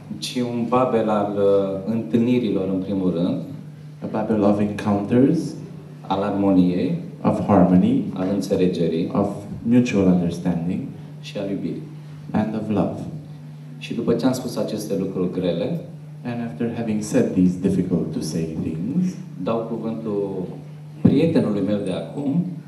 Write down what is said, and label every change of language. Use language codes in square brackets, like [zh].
[ro] Ci un Babel al întâlnirilor, în primul rând. [en] A Babel of encounters. [ro] Al armoniei. [en] Of harmony. [ro] Al înțelegerii. [en] Of mutual understanding. [ro] Și al iubirii. [en] And of love. [ro] Și după ce am spus aceste lucruri grele, [en] and after having said these difficult to say things, [ro] dau cuvântul prietenului meu de acum,